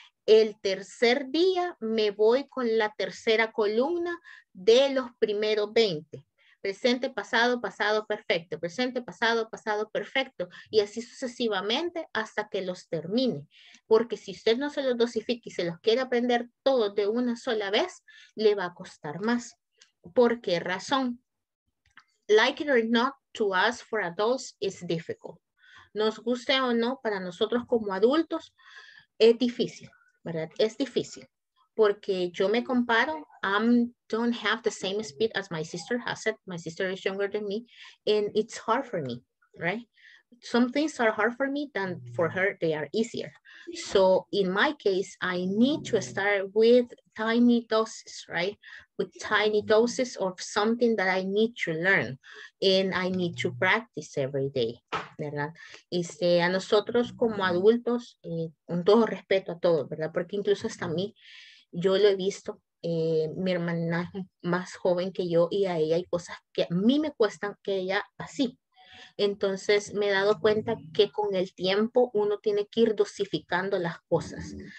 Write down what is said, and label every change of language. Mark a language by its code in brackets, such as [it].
[es] El tercer día me voy con la tercera columna de los primeros 20. Presente, pasado, pasado, perfecto. Presente, pasado, perfecto. Y así sucesivamente hasta que los termine. Porque si usted no se los dosifica y se los quiere aprender todos de una sola vez, le va a costar más. ¿Por qué razón? [en] Like it or not, to us for adults is difficult. [es] Nos guste o no, para nosotros como adultos es difícil, ¿verdad? Es difícil. Porque yo me comparo, [en] I don't have the same speed as my sister has it. My sister is younger than me, and it's hard for me, right? Some things are hard for me than for her, they are easier. So in my case, I need to start with tiny doses, right? With tiny doses of something that I need to learn, and I need to practice every day, [es] ¿verdad? Este, a nosotros como adultos, con todo respeto a todos, ¿verdad? Porque incluso hasta a mí, yo lo he visto, mi hermana más joven que yo, y a ella hay cosas que a mí me cuestan que ella así. Entonces me he dado cuenta que con el tiempo uno tiene que ir dosificando las cosas.